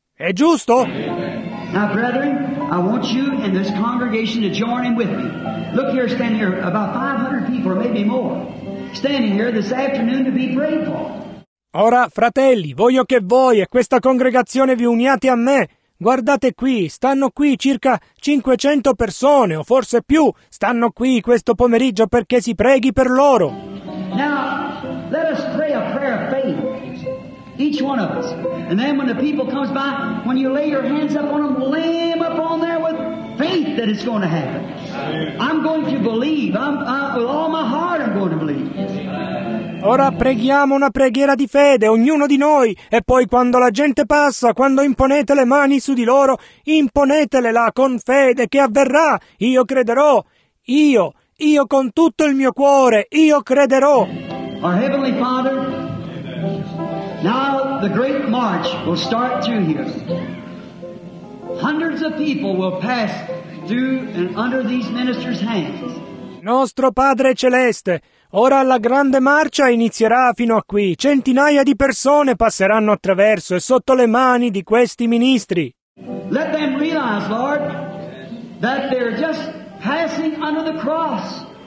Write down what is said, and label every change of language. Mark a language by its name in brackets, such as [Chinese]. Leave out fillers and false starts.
[Italian] È giusto? [English] Now, brethren, I want you and this congregation to join in with me. Look here, stand here, about 500 people or maybe more. Standing here this afternoon to be prayed for. [Italian] Ora, fratelli, voglio che voi e questa congregazione vi uniate a me. Guardate qui, stanno qui circa 500 persone, o forse più, stanno qui questo pomeriggio perché si preghi per loro. [English] Now, let us pray a prayer of faith, each one of us. And then when the people comes by, when you lay your hands up on them, lay them up on there with faith that it's going to happen. I'm going to believe. With all my heart I'm going to believe. [Italian] Ora preghiamo una preghiera di fede, ognuno di noi, e poi quando la gente passa, quando imponete le mani su di loro, imponetele là con fede che avverrà. Io crederò. Io con tutto il mio cuore, io crederò. [English] Our Heavenly Father, now the great march will start through here. Hundreds of people will pass through and under these ministers' hands. [Italian] Nostro Padre Celeste, ora la grande marcia inizierà fino a qui. Centinaia di persone passeranno attraverso e sotto le mani di questi ministri. [English] Let them realize, Lord, that they're just passing under the cross.